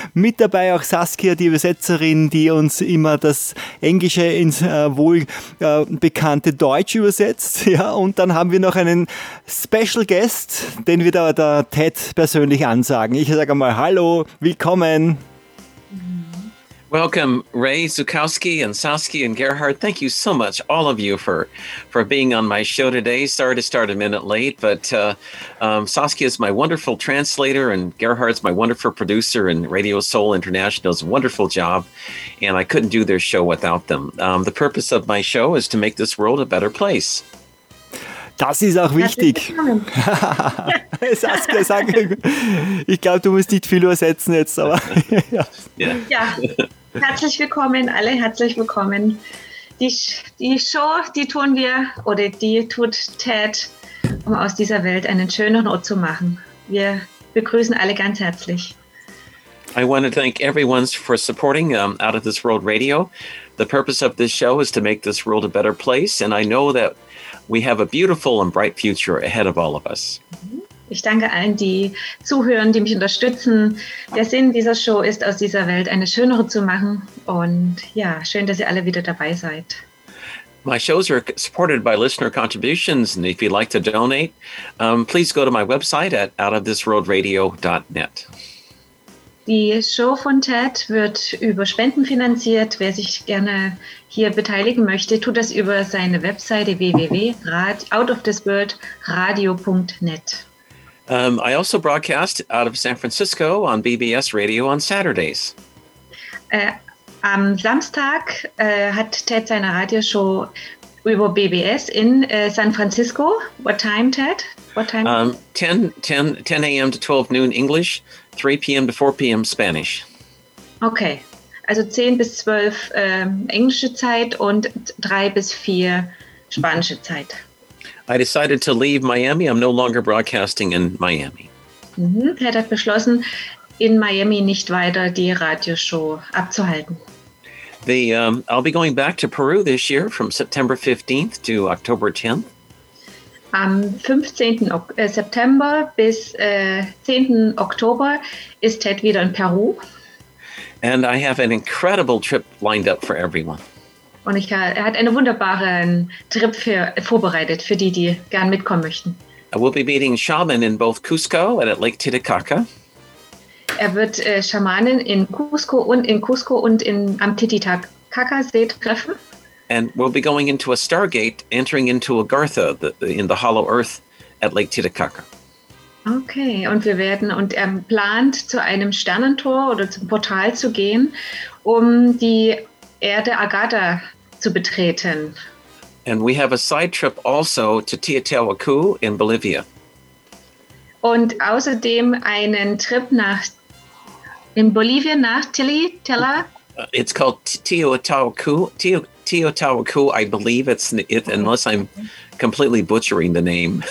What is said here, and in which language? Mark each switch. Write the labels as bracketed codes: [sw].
[de] Mit dabei auch Saskia, die Übersetzerin, die uns immer das Englische ins wohlbekannte Deutsch übersetzt. Ja, und dann haben wir noch einen Special Guest, den wird aber der Ted persönlich ansagen. Ich sage einmal Hallo, willkommen. [en] Welcome, Ray Zukowski and Saskia and Gerhard. Thank you so much, all of you, for being on my show today. Sorry to start a minute late, but Saskia is my wonderful translator and Gerhard is my wonderful producer and Radio Soul International's wonderful job, and I couldn't do their show without them. The purpose of my show is to make this world a better place. [de] Das ist auch wichtig. Saskia, sag, ich glaube, du musst nicht viel übersetzen jetzt. Aber ja. Herzlich willkommen, alle herzlich willkommen. Die Show, die tun wir, oder die tut Ted, um aus dieser Welt einen schöneren Ort zu machen. Wir begrüßen alle ganz herzlich. [en] I want to thank everyone for supporting Out of This World Radio. The purpose of this show is to make this world a better place, and I know that we have a beautiful and bright future ahead of all of us. [de] Ich danke allen, die zuhören, die mich unterstützen. Der Sinn dieser Show ist, aus dieser Welt eine schönere zu machen. Und ja, schön, dass ihr alle wieder dabei seid. [en] My shows are supported by listener contributions. And if you'd like to donate, please go to my website at outofthisworldradio.net. [de] Die Show von Ted wird über Spenden finanziert. Wer sich gerne hier beteiligen möchte, tut das über seine Webseite www.outofthisworldradio.net. [en] I also broadcast out of San Francisco on BBS Radio on Saturdays. [de] Am Samstag hat Ted seine Radioshow über BBS in San Francisco. [en] What time, Ted? What time? 10 a.m. to 12 noon English. 3 p.m. to 4 p.m. Spanish. [de] Okay, also 10 bis 12 englische Zeit und 3 bis 4 spanische Zeit. [en] I decided to leave Miami. I'm no longer broadcasting in Miami. [de] Ted hat beschlossen, in Miami nicht weiter die Radioshow abzuhalten. [en] I'll be going back to Peru this year from September 15th to October 10th. [de] Am 15. September bis 10. Oktober ist Ted wieder in Peru. [en] And I have an incredible trip lined up for everyone. [de] Und er hat einen wunderbaren Trip vorbereitet für die, die gern mitkommen möchten. [en] I will be meeting shaman in both Cusco and at Lake Titicaca. [de] Er wird Schamanen in Cusco und am Titicaca-See treffen. [en] And we'll be going into a stargate, entering into Agartha, in the hollow earth at Lake Titicaca. [de] Okay, und wir werden, und er plant, zu einem Sternentor oder zum Portal zu gehen, um die Erde Agartha zu betreten. [en] And we have a side trip also to Teotihuacan in Bolivia. [de] Und außerdem einen Trip nach Tilitela. [en] It's called Teotihuacan, I believe it's it, unless I'm completely butchering the name.